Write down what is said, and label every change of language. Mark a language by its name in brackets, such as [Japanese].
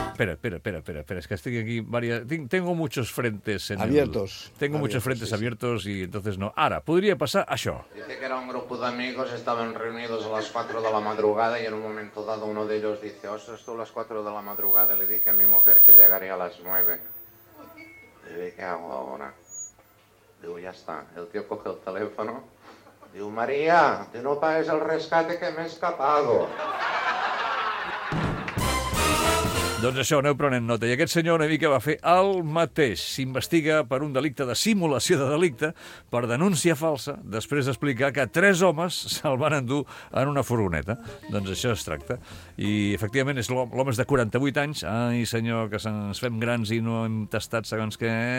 [Catalan] Espera, és que estic aquí... [Spanish] Tengo muchos frentes... Abiertos. Tengo muchos frentes abiertos y entonces no. [Catalan] Ara, podria passar això. [Spanish] Dice que era un grupo de amigos, estaban reunidos a las 4 de la madrugada y en un momento dado uno de ellos dice, oh, esto a las 4 de la madrugada, le dije a mi mujer que llegaría a las 9. Le dije, ¿qué hago ahora? Digo, ya está. El tío coge el teléfono. Digo, María, que no pagues el rescate que me he escapado. [Catalan] Doncs això, aneu prenent nota. I aquest senyor una mica va fer el mateix. S'investiga per un delicte de simulació de delicte per denúncia falsa, després d'explicar que tres homes se'l van endur en una furgoneta. Doncs això es tracta. I, efectivament, és l'home de 48 anys. Ai, senyor, que ens fem grans i no hem tastat segons què...